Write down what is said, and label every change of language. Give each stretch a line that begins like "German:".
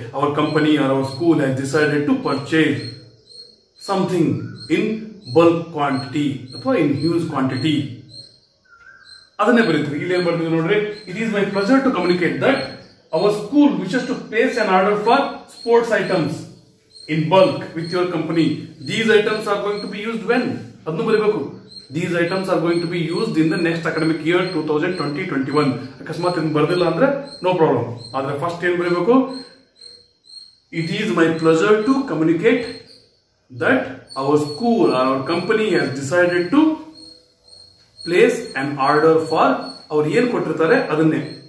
English: our company or our school has decided to purchase something in bulk quantity ಅಥವಾ in huge quantity,
Kannada: ಅದನ್ನೇ ಬರೀತೀವಿ. ಇಲ್ಲಿ ಏನ್ ಬರ್ತೀವಿ ನೋಡ್ರಿ,
English: It is my pleasure to communicate that our school wishes to place an order for sports items in bulk with your company. These items are going to be used when,
Kannada: ಅದನ್ನು ಬರೀಬೇಕು.
English: These items are going to be used in the next academic year 2020-21.
Kannada: ಅಕಸ್ಮಾತ್ ಇದನ್ನ ಬರ್ದಿಲ್ಲ ಅಂದ್ರೆ no problem. ಆದ್ರೆ first ಏನ್ ಬರೀಬೇಕು?
English: it is my pleasure to communicate that our school or our company has decided to place an order for,
Kannada: ಅವ್ರು ಏನ್ ಕೊಟ್ಟಿರ್ತಾರೆ ಅದನ್ನೇ.